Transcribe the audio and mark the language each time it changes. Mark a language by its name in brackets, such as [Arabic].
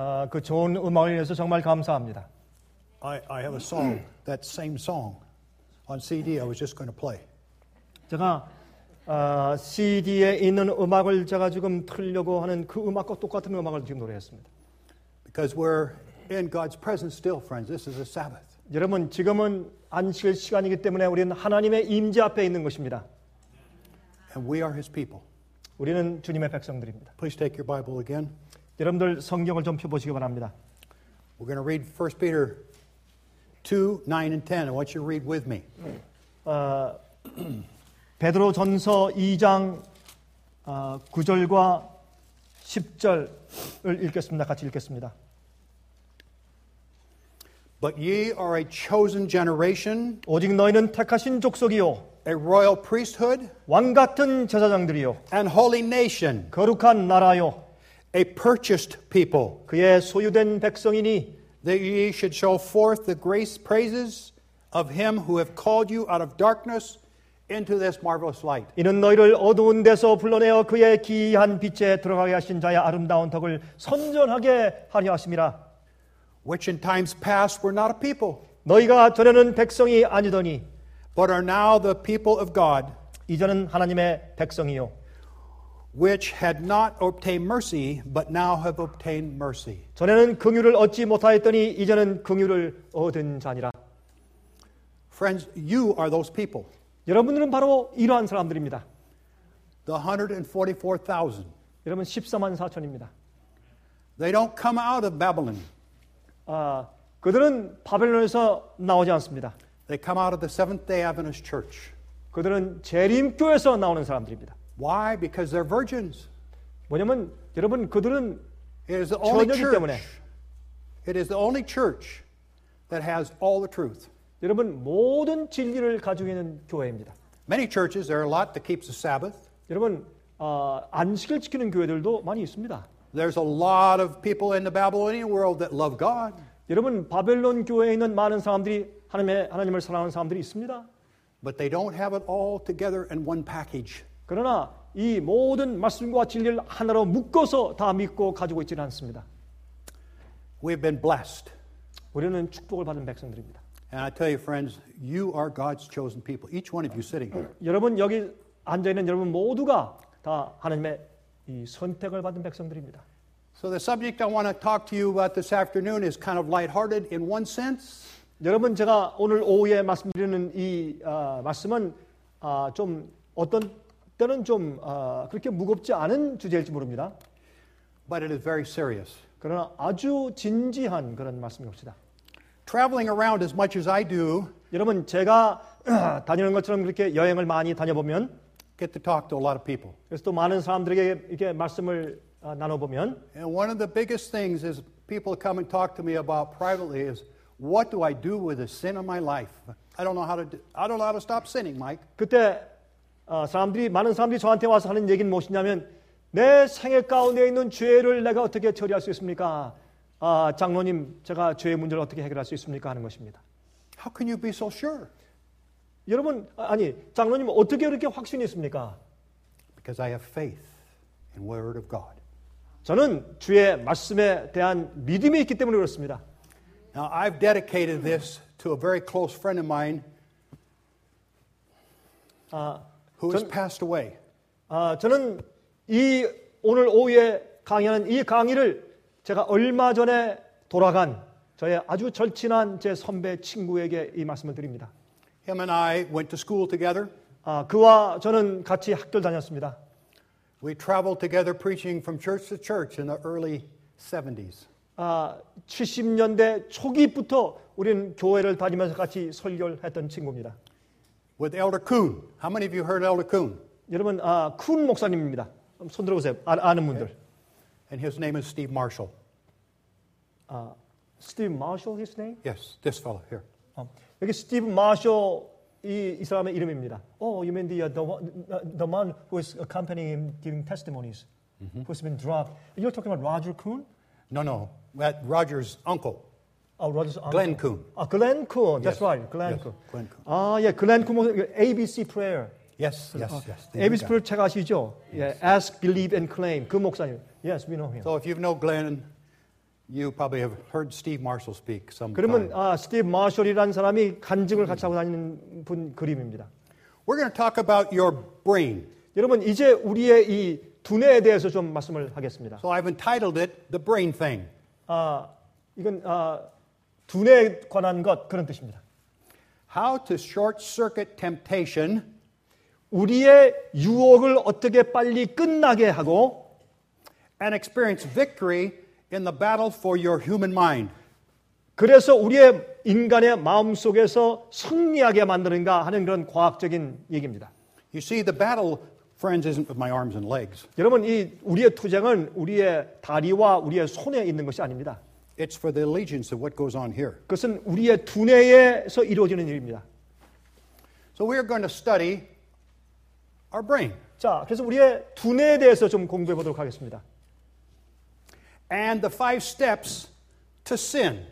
[Korean] 그 좋은 음악을 위해서 정말 감사합니다. [English] I have a song, that same song, on CD. I was just going to play. [Korean] 제가 CD에 있는 음악을 제가 지금 틀려고 하는 그 음악과 똑같은 음악을 지금 노래했습니다. [English] Because we're in God's presence still, friends. This is a Sabbath. [Korean] 여러분 지금은 안식일 시간이기 때문에 우리는 하나님의 임재 앞에 있는 것입니다. [English] And we are His people. [Korean] 우리는 주님의 백성들입니다. [English] Please take your Bible again. [Korean] 여러분들 성경을 좀 펴보시기 바랍니다. [English] We're going to read 1 Peter 2, 9 and 10. I want you to read with me. [Korean] 베드로 전서 2장 9절과 10절을 읽겠습니다. 같이 읽겠습니다. [English] But ye are a chosen generation, [Korean] 오직 너희는 택하신 족속이요, [English] a royal priesthood, [Korean] 왕 같은 제사장들이요, [English] and holy nation, [Korean] 거룩한 나라요, [English] a purchased people, [Korean] 그의 소유된 백성이니, [English] that ye should show forth the grace praises of him who have called you out of darkness into this marvelous light. [Korean] 이는 너희를 어두운 데서 불러내어 그의 기이한 빛에 들어가게 하신 자의 아름다운 덕을 선전하게 하려 하심이라. [English] Which in times past were not a people. [Korean] 너희가 전에는 백성이 아니더니. [English] But are now the people of God. [Korean] 이제는 하나님의 백성이요. [English] Which had not obtained mercy, but now have obtained mercy. [Korean] 전에는 긍휼을 얻지 못하였더니 이제는 긍휼을 얻은 자니라. [English] Friends, you are those people. [Korean] 여러분들은 바로 이러한 사람들입니다. [English] The 144,000. [Korean] 여러분 14만 4천입니다. [English] They don't come out of Babylon. [Korean] 그들은 바벨론에서 나오지 않습니다. [English] They come out of the Seventh-day Adventist Church. [Korean] 그들은 재림교회에서 나오는 사람들입니다. [English] Why? Because they're virgins. [Korean] 뭐냐면 여러분 그들은 처녀이기 때문에. [English] It is the only church that has all the truth. [Korean] 여러분 모든 진리를 가지고 있는 교회입니다. [English] Many churches, there are a lot that keeps the Sabbath. [Korean] 여러분 안식일 지키는 교회들도 많이 있습니다. [English] There's a lot of people in the Babylonian world that love God. [Korean] 여러분 바벨론 교회에 있는 많은 사람들이 하나님을 사랑하는 사람들이 있습니다. [English] But they don't have it all together in one package. [Korean] 그러나 이 모든 말씀과 진리를 하나로 묶어서 다 믿고 가지고 있지는 않습니다. [English] We've been blessed. [Korean] 우리는 축복을 받은 백성들입니다. [English] And I tell you, friends, you are God's chosen people. Each one of you sitting here. [Korean] 여러분 여기 앉아 있는 여러분 모두가 다 하나님의 이 선택을 받은 백성들입니다. [English] So the subject I want to talk to you about this afternoon is kind of lighthearted in one sense. [Korean] 여러분 제가 오늘 오후에 말씀드리는 이 말씀은 좀 어떤 때는 좀 그렇게 무겁지 않은 주제일지 모릅니다. [English] But it is very serious. [Korean] 그러나 아주 진지한 그런 말씀입니다. [English] Traveling around as much as I do. [Korean] 여러분 제가 다니는 것처럼 그렇게 여행을 많이 다녀보면 [English] get to talk to a lot of people. [Korean] 그래서 또 많은 사람들에게 이렇게 말씀을 나눠보면 [English] and one of the biggest things is people come and talk to me about privately is what do I do with the sin of my life? I don't know how to stop sinning, Mike. [Korean] 그때 사람들이 많은 사람들이 저한테 와서 하는 얘기는 무엇이냐면 내 생애 가운데 있는 죄를 내가 어떻게 처리할 수 있습니까? 장로님, 제가 죄의 문제를 어떻게 해결할 수 있습니까? 하는 것입니다. [English] How can you be so sure? [Korean] 여러분, 아니, 장로님 어떻게 그렇게 확신이 있습니까? [English] Because I have faith in the word of God. [Korean] 저는 주의 말씀에 대한 믿음이 있기 때문에 그렇습니다. [English] Now I've dedicated this to a very close friend of mine who has passed away. [Korean] 저는 이 오늘 오후에 강의하는 이 강의를 제가 얼마 전에 돌아간 저의 아주 절친한 제 선배 친구에게 이 말씀을 드립니다. [English] Him and I went to school together. [Korean] 그와 저는 같이 학교를 다녔습니다. [English] We traveled together preaching from church to church in the early 70s. [Korean] 70년대 초기부터 우리는 교회를 다니면서 같이 설교를 했던 친구입니다. [English] With Elder Kuhn. How many of you heard Elder Kuhn? [Korean] 여러분, Kuhn 목사님입니다. 손 들어보세요. 아는 분들. Okay. [English] And his name is Steve Marshall. Steve Marshall, his name? Yes, this fellow here. [Korean] 여기 Steve Marshall 이 사람의 이름입니다. [English] Oh, you mean the man who is accompanying him giving testimonies, mm-hmm. who's been dropped. You're talking about Roger Kuhn? No, that Roger's uncle. Oh, Roger's uncle. Glenn Kuhn. Glenn Kuhn. That's yes. right, Glenn yes. Kuhn. Glenn Kuhn. Yeah, Glenn Kuhn. ABC Prayer. Yes. [Korean] ABC Prayer 책 아시죠? [English] Yes. Yeah, Ask, Believe, and Claim. [Korean] 그 목사님. [English] Yes, we know him. So if you know Glenn, You probably have heard Steve Marshall speak sometime. [Korean] 그러면 스티브 마셜이라는 사람이 간증을 같이 하고 다니는 분 그림입니다. [English] We're going to talk about your brain. [Korean] 여러분 이제 우리의 이 두뇌에 대해서 좀 말씀을 하겠습니다. [English] So I've entitled it the brain thing. [Korean] 이건 두뇌에 관한 것 그런 뜻입니다. [English] How to short circuit temptation? [Korean] 우리의 유혹을 어떻게 빨리 끝나게 하고 [English] and experience victory in the battle for your human mind. [Korean] 그래서 우리의 인간의 마음 속에서 승리하게 만드는가 하는 그런 과학적인 얘기입니다. [English] You see, the battle, friends, isn't with my arms and legs. [Korean] 여러분, 이 우리의 투쟁은 우리의 다리와 우리의 손에 있는 것이 아닙니다. [English] It's for the allegiance of what goes on here. [Korean] 그것은 우리의 두뇌에서 이루어지는 일입니다. [English] So we are going to study our brain. [Korean] 자, 그래서 우리의 두뇌에 대해서 좀 공부해 보도록 하겠습니다. [English] And the five steps to sin.